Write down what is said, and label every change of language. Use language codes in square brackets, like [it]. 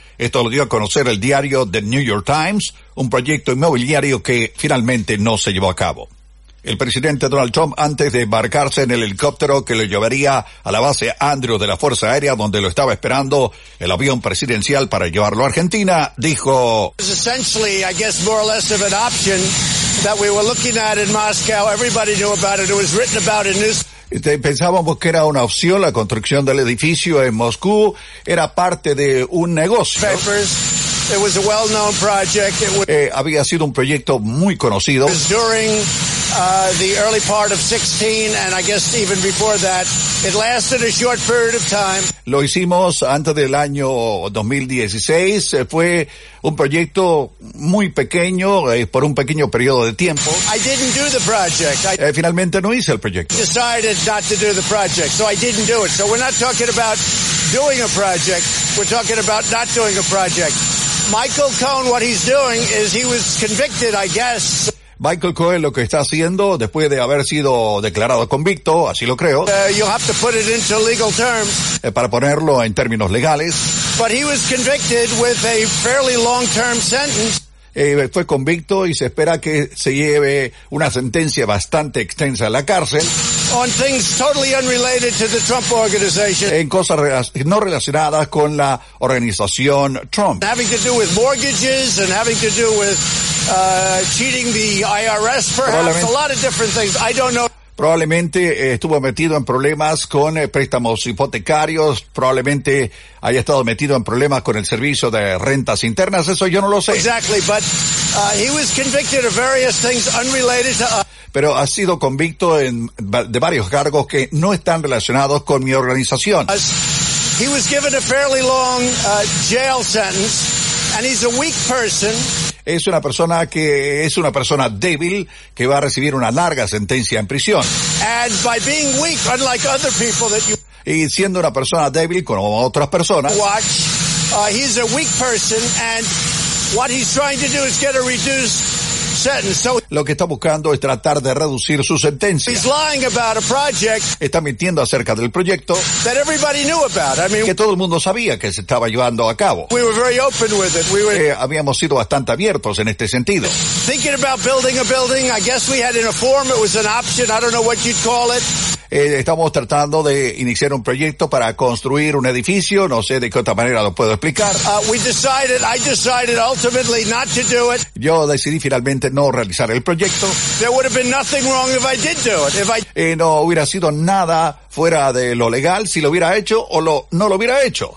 [es] Esto lo dio a conocer el diario The New York Times, un proyecto inmobiliario que finalmente no se llevó a cabo. El presidente Donald Trump, antes de embarcarse en el helicóptero que lo llevaría a la base Andrews de la Fuerza Aérea, donde lo estaba esperando el avión presidencial para llevarlo a Argentina, dijo: "Es esencialmente, [en] I guess, more or less of an option that we were looking at in Moscow. Everybody knew about it. It was written about in news." [es] Pensábamos que era una opción la construcción del edificio en Moscú. Era parte de un negocio. [en] Papers. It was a well-known project. [es] Había sido un proyecto muy conocido. [en] The early part of 16, and I guess even before that, it lasted a short period of time. [es] Lo hicimos antes del año 2016. Fue un proyecto muy pequeño, por un pequeño periodo de tiempo. [en] I didn't do the project. [es] Finalmente no hice el proyecto. [en] Decided not to do the project, so I didn't do it. So we're not talking about doing a project. We're talking about not doing a project. Michael Cohen, what he's doing is he was convicted, I guess. [es] Michael Cohen lo que está haciendo después de haber sido declarado convicto, así lo creo, [en] you'll have to put it into legal terms, [es] para ponerlo en términos legales, [en] but he was convicted with a fairly long-term sentence. [es] Fue convicto y se espera que se lleve una sentencia bastante extensa a la cárcel. [en] On things totally unrelated to the Trump organization. [es] En cosas no relacionadas con la organización Trump. [en] Having to do with mortgages and having to do with cheating the IRS, perhaps a lot of different things. I don't know. [es] Probablemente estuvo metido en problemas con préstamos hipotecarios, probablemente haya estado metido en problemas con el servicio de rentas internas, eso yo no lo sé. [en] Exactly, but he was convicted of various things unrelated to us. [es] Pero ha sido convicto de varios cargos que no están relacionados con mi organización. [en] He was given a fairly long jail sentence, and he's a weak person. [es] Es una persona que es una persona débil que va a recibir una larga sentencia en prisión. [en] And by being weak, unlike other people that you... [es] Y siendo una persona débil como otras personas. [en] Watch, he's a weak person, and what he's trying to do is get a reduced sentence. So... [es] Lo que está buscando es tratar de reducir su sentencia. [en] He's lying about a project. [es] Está mintiendo acerca del proyecto. [en] That everybody knew about. I mean, [es] que todo el mundo sabía que se estaba llevando a cabo. [en] We were very open with it. We were... [es] Habíamos sido bastante abiertos en este sentido. [en] Thinking about building a building, I guess we had in a form, it was an option, I don't know what you'd call it. [es] Estamos tratando de iniciar un proyecto para construir un edificio. No sé de qué otra manera lo puedo explicar. [en] I decided ultimately not to do it. [es] Yo decidí finalmente no realizar el proyecto. [en] There would have been nothing wrong if I did do it. [es] No hubiera sido nada fuera de lo legal si lo hubiera hecho o no lo hubiera hecho.